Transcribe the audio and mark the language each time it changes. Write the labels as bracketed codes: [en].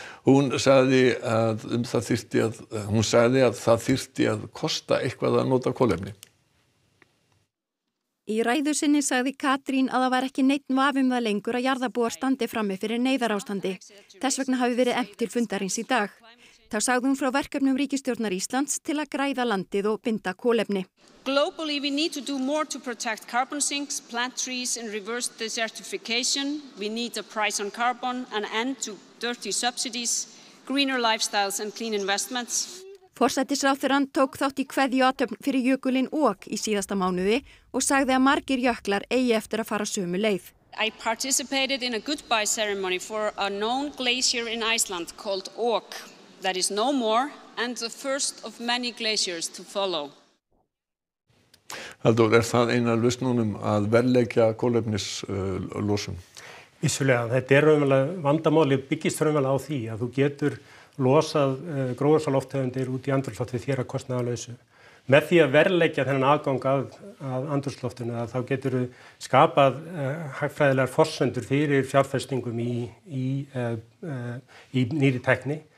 [is] Hún sagði að það þyrfti að kosta eitthvað að nota kolefni. Í ræðu sinni sagði Katrín að það var ekki neinn vafum það lengur að jarðabúar standi frammi fyrir neyðarástandi. Þess vegna hafi verið efnt til fundarins í dag. Þá sagði hún frá verkefnum ríkisstjórnar Íslands til að græða landið og binda kolefni. [en] Globally we need to do more to protect carbon sinks, plant trees and reverse desertification. We need a price on carbon, an end to dirty subsidies, greener lifestyles and clean investments. [is] Forsætisráðherrann tók þátt í kveðjuathöfn fyrir jökulinn OK í síðasta mánuði og sagði að margir jöklar eigi eftir að fara sömu leið. [en] I participated in a goodbye ceremony for a known glacier in Iceland called OK. That is no more and the first of many glaciers to follow. [is] Halldór, það eina lausnunum að verðleggja kolefnis losun? Vissulega, þetta raunverulega vandamál, ég byggist raunverulega á því að þú getur losað gróðurhúsalofttegundir út í andrúmsloftið þér að kostnaðarlausu. Með því að verðleggja þennan aðgang að andrúmsloftinu þá getur þú skapað hagfræðilegar forsendur fyrir fjárfestingum í nýri tækni.